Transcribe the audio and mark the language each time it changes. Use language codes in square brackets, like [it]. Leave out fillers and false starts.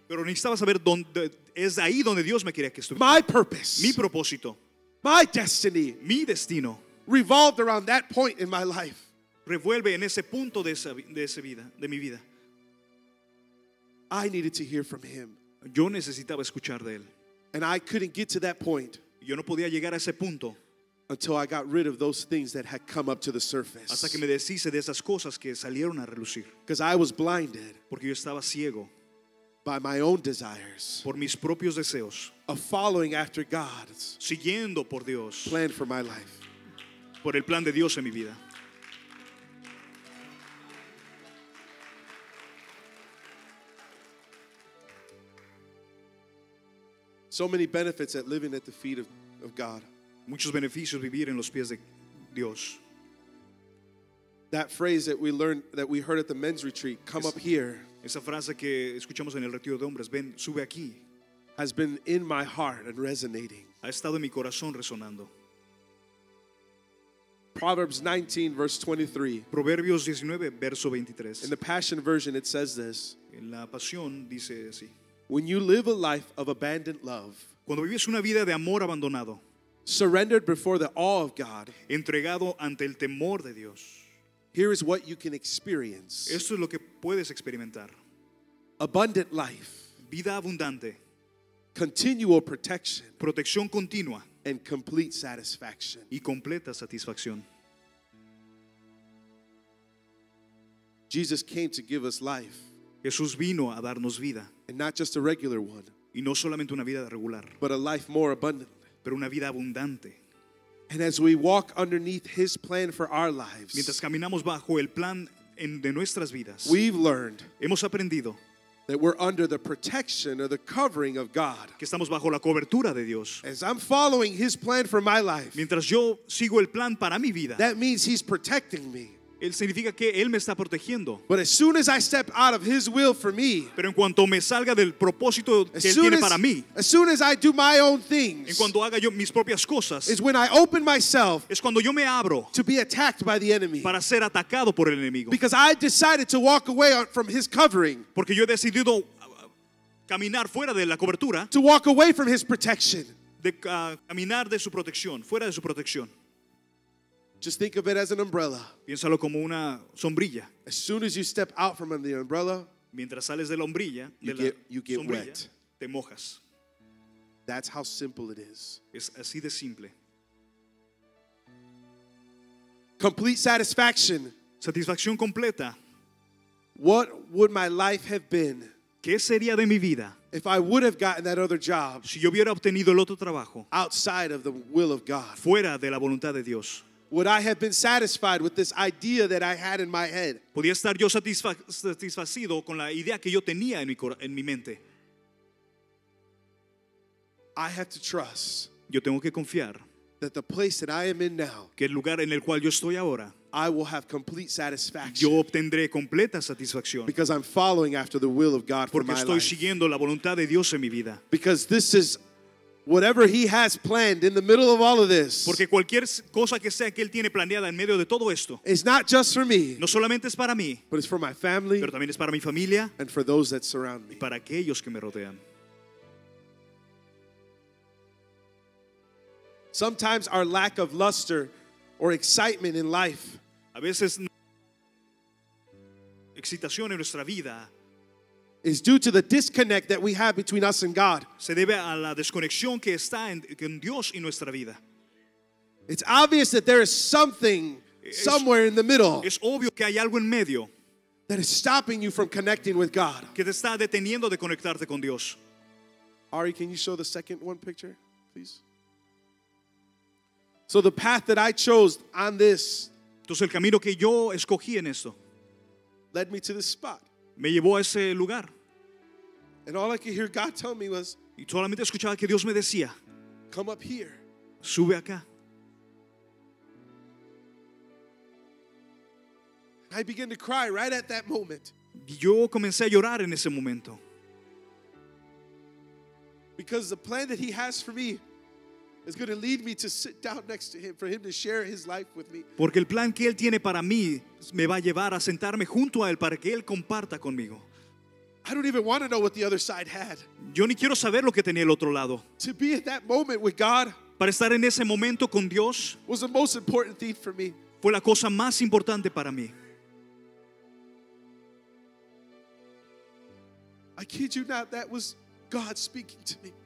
[es] Pero necesitaba saber dónde es ahí donde Dios me quería que estuviera. [en] My purpose. [es] Mi propósito. [en] My destiny. [es] Mi destino. [en] Revolved around that point in my life. [es] Revuelve en ese punto de esa vida, de mi vida. [en] I needed to hear from him. [es] Yo necesitaba escuchar de él. [en] And I couldn't get to that point. [es] Yo no podía llegar a ese punto. [en] Until I got rid of those things that had come up to the surface. [es] Hasta que me deshice de esas cosas que salieron a relucir. [en] Because I was blinded. [es] Porque yo estaba ciego. [en] By my own desires. [es] Por mis propios deseos. [en] Of following after God's. [es] Siguiendo por Dios. [en] Plan for my life. [es] Por el plan de Dios en mi vida. [en] So many benefits at living at the feet of God. [es] Muchos beneficios vivir en los pies de Dios. [en] That phrase that we learned, that we heard at the men's retreat, come up here. [es] Esa frase que escuchamos en el retiro de hombres, ven, sube aquí. [en] Has been in my heart and resonating. [es] Ha estado en mi corazón resonando. [en] Proverbs 19, verse 23. [es] Proverbios 19, verso 23. [en] In the Passion Version, it says this. [es] En la Pasión dice así. [en] When you live a life of abandoned love. [es] Cuando vives una vida de amor abandonado. [en] Surrendered before the awe of God. [es] Entregado ante el temor de Dios. [en] Here is what you can experience. [es] Esto es lo que puedes experimentar. [en] Abundant life. [es] Vida abundante. [en] Continual protection. [es] Protección continua. [en] And complete satisfaction. [es] Y completa satisfacción. [en] Jesus came to give us life. [es] Jesús vino a darnos vida. [en] And not just a regular one. [es] Y no solamente una vida regular. [en] But a life more abundant. [es] Pero una vida abundante. [en] And as we walk underneath his plan for our lives, [es] mientras caminamos bajo el plan de nuestras vidas, [en] we've learned, [es] hemos aprendido, [en] that we're under the protection or the covering of God. [es] Que estamos bajo la cobertura de Dios. [en] As I'm following his plan for my life, [es] mientras yo sigo el plan para mi vida, [en] that means he's protecting me. [es] Él significa que él me está protegiendo. [en] But as soon as I step out of his will for me, [es] pero en cuanto me salga del propósito que él tiene para mí, [en] as soon as I do my own things, [es] en cuanto haga yo mis propias cosas, [en] is when I open myself, [es] es cuando yo me abro, [en] to be attacked by the enemy, [es] para ser atacado por el enemigo, [en] because I decided to walk away from his covering, [es] porque yo he decidido caminar fuera de la cobertura, [en] to walk away from his protection, [es] de caminar de su protección, fuera de su protección. [en] Just think of it as an umbrella. [es] Piénsalo como una sombrilla. [en] As soon as you step out from under the umbrella, [es] mientras sales de la sombrilla, [en] you get wet. [es] Te mojas. [en] That's how simple it is. [es] Es así de simple. [en] Complete satisfaction. [es] Satisfacción completa. [en] What would my life have been? [es] ¿Qué sería de mi vida? [en] If I would have gotten that other job, [es] si yo hubiera obtenido el otro trabajo, [en] outside of the will of God, [es] fuera de la voluntad de Dios. [en] Would I have been satisfied with this idea that I had in my head? [es] ¿Podría estar yo satisfacido con la idea que yo tenía en mi mente? [en] I have to trust. [es] Yo tengo que confiar. [en] That the place that I am in now. [es] Que el lugar en el cual yo estoy ahora. [en] I will have complete satisfaction. [es] Yo obtendré completa satisfacción. [en] Because I'm following after the will of God for my life. [es] Porque estoy siguiendo la voluntad de Dios en mi vida. [en] Because this is Whatever he has planned in the middle of all of this. [es] Porque cualquier cosa que sea que él tiene planeada en medio de todo esto. [en] It's not just for me. [es] No solamente es para mí. [en] But it's for my family. [es] Pero también es para mi familia. [en] And for those that surround me. [es] Y para aquellos que me rodean. [en] Sometimes our lack of luster or excitement in life. [es] A veces excitación en nuestra vida. [en] Is due to the disconnect that we have between us and God. [es] Se debe a la desconexión que está en Dios y nuestra vida. [en] It's obvious that there is something somewhere in the middle. [es] Es obvio que hay algo en medio. [en] That is stopping you from connecting with God. [es] Que te está deteniendo de conectarte con Dios. [en] Ari, can you show the second one picture, please? So the path that I chose on this. [es] Entonces el camino que yo escogí en esto. [en] Led me to this spot. [es] Me llevó a ese lugar. [en] And all I could hear God tell me was, [es] y solamente escuchaba que Dios me decía, [en] come up here. [es] Sube acá. [en] I began to cry right at that moment. [es] Yo comencé a llorar en ese momento. [en] Because the plan that he has for me is going to lead me to sit down next to him, for him to share his life with me. [es] Porque el plan que él tiene para mí me va a llevar a sentarme junto a él para que él comparta conmigo. [en] I don't even want to know what the other side had. [es] Yo ni quiero saber lo que tenía el otro lado. [en] To be at that moment with God. [es] Para estar en ese momento con Dios. [en] Was the most important thing for me. [es] Fue la cosa más importante para mí. [en] I kid you not, that was God speaking to me.